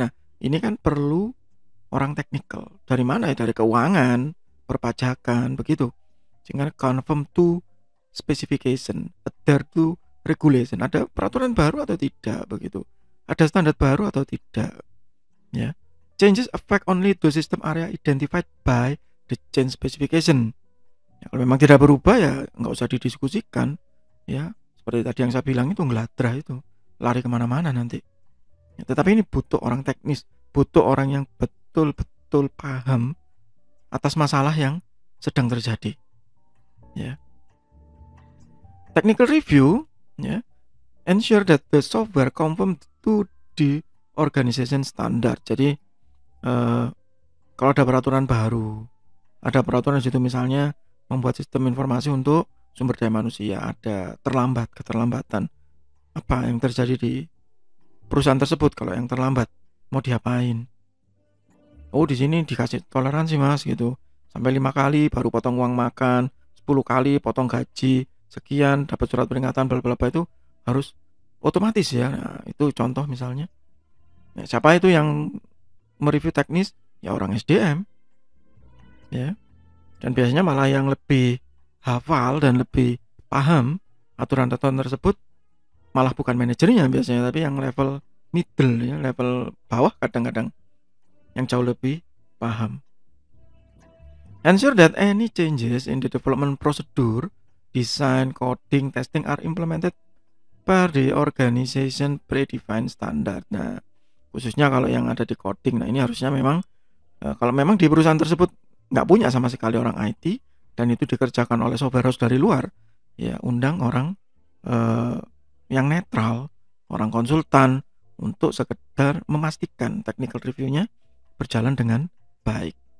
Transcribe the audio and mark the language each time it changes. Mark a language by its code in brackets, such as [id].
[id] Nah, ini kan perlu orang teknikal. Dari mana ya? Dari keuangan, perpajakan, begitu. Sehingga [en] confirm to specification, adhere to regulation. [id] Ada peraturan baru atau tidak, begitu. Ada standar baru atau tidak. Ya. [en] Changes affect only the system area identified by the change specification. [id] Ya, kalau memang tidak berubah ya nggak usah didiskusikan. Ya, seperti tadi yang saya bilang itu ngeladrah itu, lari kemana-mana nanti. Ya, tetapi ini butuh orang teknis, butuh orang yang betul-betul paham atas masalah yang sedang terjadi. Ya. [en] Technical review, ya, ensure that the software conform to the organization standard. [id] Jadi kalau ada peraturan baru, ada peraturan itu misalnya membuat sistem informasi untuk sumber daya manusia, ada terlambat, keterlambatan, apa yang terjadi di perusahaan tersebut kalau yang terlambat, mau diapain? Oh, di sini dikasih toleransi mas gitu, sampai 5 kali baru potong uang makan, 10 kali potong gaji, sekian dapat surat peringatan, bla bla bla, itu harus otomatis ya. Nah, itu contoh misalnya. Nah, siapa itu yang mereview teknis? Ya orang SDM ya. Dan biasanya malah yang lebih hafal dan lebih paham aturan-aturan tersebut malah bukan manajernya biasanya, tapi yang level middle ya, level bawah kadang-kadang yang jauh lebih paham. [en] Ensure that any changes in the development procedure, design, coding, testing are implemented per the organization predefined standard. [id] Nah, khususnya kalau yang ada di coding, nah ini harusnya memang kalau memang di perusahaan tersebut nggak punya sama sekali orang IT dan itu dikerjakan oleh software house dari luar, ya undang orang yang netral, orang konsultan untuk sekedar memastikan technical reviewnya berjalan dengan baik.